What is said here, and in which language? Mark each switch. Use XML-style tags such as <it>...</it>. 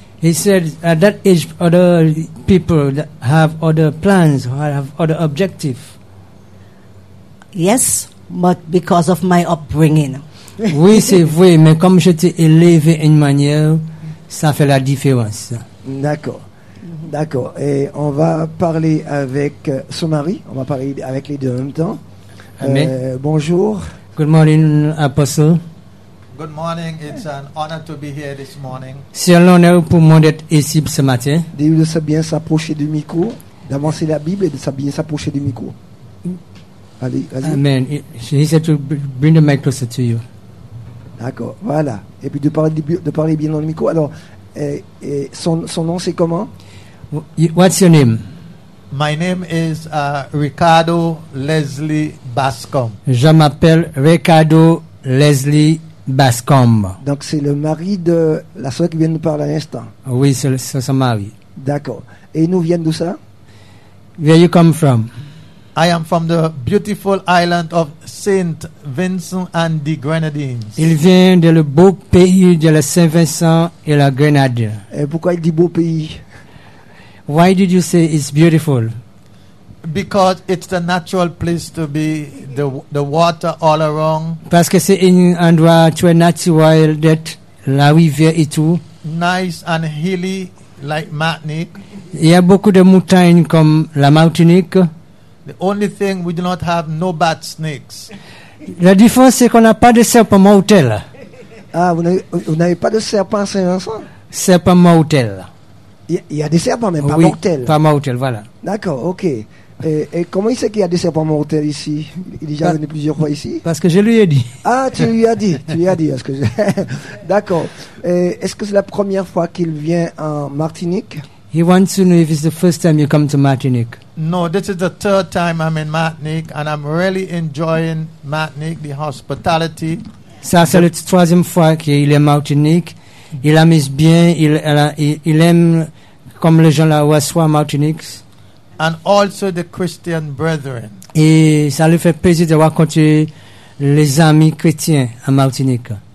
<en>He said, at that age, other people have other plans, have other objectives. Yes, but because of my upbringing.</en> <fr>Oui, c'est vrai, mais comme j'étais élevé d'une manière, ça fait la différence. D'accord. Et on va parler avec son mari. On va parler avec les deux en même temps. Amen. Bonjour.</fr> <en>Good morning, Apostle. Good morning. It's an honor to be here this morning.</en> <fr>C'est un honneur pour moi d'être ici ce matin. De bien s'approcher du micro, d'avancer la Bible et de bien s'approcher du micro. Allez. Amen.</fr> <en>He said to bring the mic closer to you.</en> <fr>D'accord, voilà. Et puis de parler bien dans le micro. Alors, son nom c'est comment?</fr> <en>What's your name? My name is Ricardo Leslie Bascombe.</en> <fr>Je m'appelle Ricardo Leslie Bascombe. Donc c'est le mari de la soeur qui vient de nous parler à l'instant. Oui, c'est son mari. D'accord. Et ils nous viennent d'où ça?</fr> <en>Where you come from? I am from the beautiful island of Saint Vincent and the Grenadines.</en> <fr>Il vient de le beau pays de la Saint Vincent et la Grenade. Et pourquoi il dit beau pays?</fr> <en>Why did you say it's beautiful? Because it's the natural place to be, the water all around.</en> <fr>Parce que c'est un endroit très naturel d'être, la rivière et tout.</fr> <en>Nice and hilly like Martinique.</en> <fr>Il y a beaucoup de montagnes comme la Martinique.</fr> <en>The only thing we do not have no bad snakes.</en> <fr>La différence c'est qu'on n'a pas de serpents mortels. Ah, vous n'avez pas de serpent Saint-Vincent? Serpent mortel. Il y a des serpents, mais pas oui, mortels. Pas mortels, voilà. D'accord, ok. Et comment il sait qu'il y a des serpents mortels ici? Il est déjà venu plusieurs fois ici. Parce que je lui ai dit. Ah, tu lui as dit. Tu lui as dit. Est-ce que je... D'accord. Et est-ce que c'est la première fois qu'il vient en Martinique?</fr> <en>He wants to know if it's the first time you come to Martinique. No, this is the third time I'm in Martinique, and I'm really enjoying Martinique, the hospitality.</en> <fr>Ça, c'est la troisième fois qu'il est Martinique. Il aime bien, il aime comme les gens là où assoient Martinique.</fr> <en>And also the Christian brethren.</en> <fr>Et ça lui fait plaisir de rencontrer les amis chrétiens en Martinique.</fr>